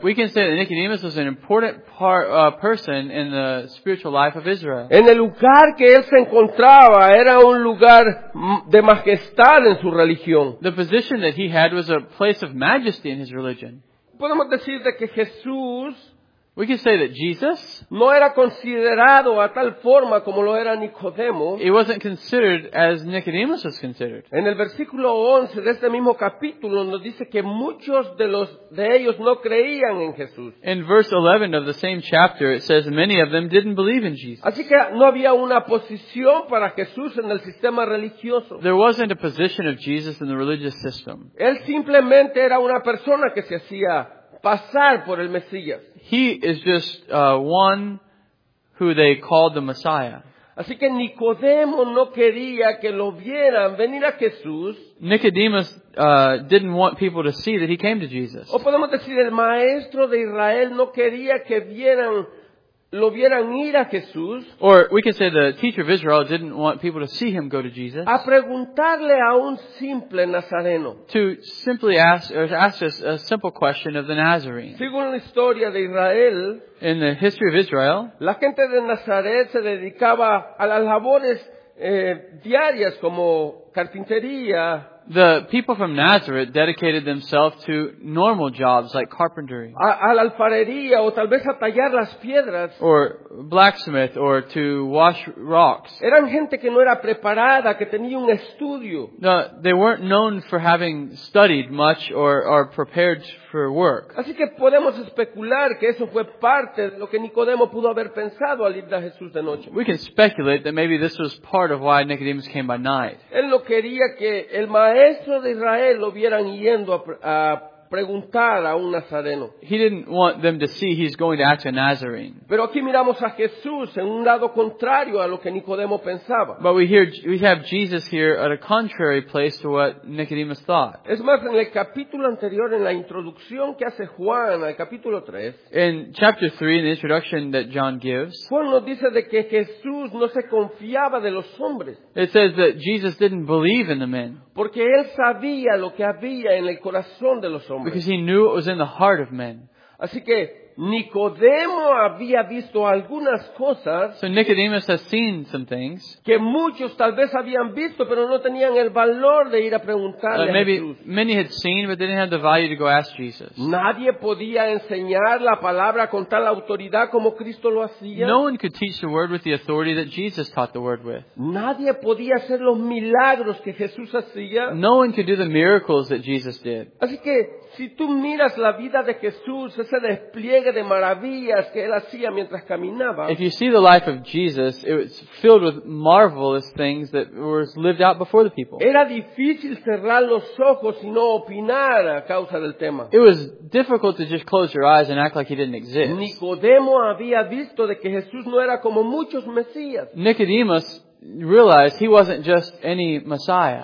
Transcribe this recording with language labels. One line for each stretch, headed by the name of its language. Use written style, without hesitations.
English: We can say that Nicodemus was an important person in the spiritual life of Israel.
Spanish: En el lugar que él se encontraba era un lugar de majestad en su religión.
English: The position that he had was a place of majesty in his religion.
Spanish: Podemos decir de que Jesús,
English: we can say that Jesus,
Spanish: no era considerado a tal forma como lo era Nicodemo.
English: He wasn't considered as Nicodemus was considered.
Spanish: En el versículo 11 de este mismo capítulo nos dice que muchos de ellos no creían en Jesús.
English: In verse 11 of the same chapter it says many of them didn't believe in Jesus.
Spanish: Así que no había una posición para Jesús en el sistema religioso.
English: There wasn't a position of Jesus in the religious system.
Spanish: Él simplemente era una persona que se hacía pasar por el Mesías.
English: He is just one who they called the Messiah.
Spanish: Así que Nicodemo no quería que lo vieran venir a Jesús.
English: Nicodemus didn't want people to see that he came to Jesus.
Spanish: O podemos decir el maestro de Israel no quería que lo vieran ir a Jesús.
English: Or we can say the teacher of Israel didn't want people to see him go to Jesus.
Spanish: A preguntarle a un simple Nazareno.
English: To simply ask or to ask us a simple question of the Nazarene.
Spanish: Según la historia de Israel,
English: in the history of Israel,
Spanish: la gente de Nazaret se dedicaba a las labores diarias como carpintería.
English: The people from Nazareth dedicated themselves to normal jobs like carpentry.
Spanish: A la alfarería o tal vez a tallar las piedras.
English: Or blacksmith or to wash rocks.
Spanish: Eran gente que no era preparada, que tenía un estudio.
English: No, they weren't known for having studied much or prepared for work.
Spanish: Así que podemos especular que eso fue parte de lo que Nicodemo pudo haber pensado al ir a Jesús de noche.
English: We can speculate that maybe this was part of why Nicodemus came by night.
Spanish: Él no quería que el maestro de Israel lo vieran yendo a preguntar a un Nazareno.
English: He didn't want them to see he's going to ask a Nazarene.
Spanish: Pero aquí miramos a Jesús en un lado contrario a lo que Nicodemo pensaba.
English: But we have Jesus here at a contrary place to what Nicodemus thought.
Spanish: Es más, en el capítulo anterior, en la introducción que hace Juan al capítulo 3,
English: in chapter 3, in the introduction that John gives,
Spanish: Juan nos dice de que Jesús no se confiaba de los hombres.
English: It says that Jesus didn't believe in the men.
Spanish: Porque él sabía lo que había en el corazón de los hombres.
English: Because he knew what was in the heart of men.
Spanish: Así que Nicodemo había visto algunas cosas.
English: So Nicodemus has seen some things
Spanish: que muchos tal vez habían visto, pero no tenían el valor de ir a preguntarle a Jesús.
English: Maybe many had seen, but they didn't have the value to go ask Jesus.
Spanish: Nadie podía enseñar la palabra con tal autoridad como Cristo lo hacía.
English: No one could teach the word with the authority that Jesus taught the word with.
Spanish: Nadie podía hacer los milagros que Jesús hacía.
English: No one could do the miracles that Jesus did.
Spanish: Así que si tú miras la vida de Jesús, ese despliegue de maravillas que él hacía mientras caminaba.
English: If you see the life of Jesus, it was filled with marvelous things that were lived out before the people.
Spanish: Era difícil cerrar los ojos y no opinar a causa del tema.
English: It was difficult to just close your eyes and act like he didn't exist.
Spanish: Nicodemo había visto de que Jesús no era como muchos mesías.
English: Nicodemus realized he wasn't just any Messiah.